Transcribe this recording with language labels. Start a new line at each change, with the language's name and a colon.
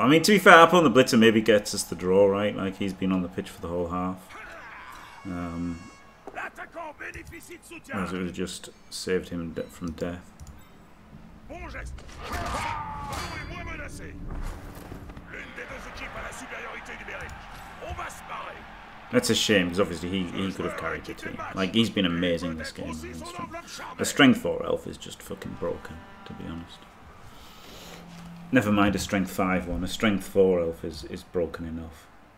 English: I mean, to be fair, up on the blitzer maybe gets us the draw, right? Like, he's been on the pitch for the whole half. Whereas it would have just saved him from death.
French: Bon geste. Ballon est moins menacé. L'une des deux équipes a la supériorité numérique. On va se barrer.
English: That's a shame, because obviously he could have carried the team. Like, he's been amazing this game. A strength 4 elf is just fucking broken, to be honest. Never mind a strength 5 one. A strength 4 elf is broken enough.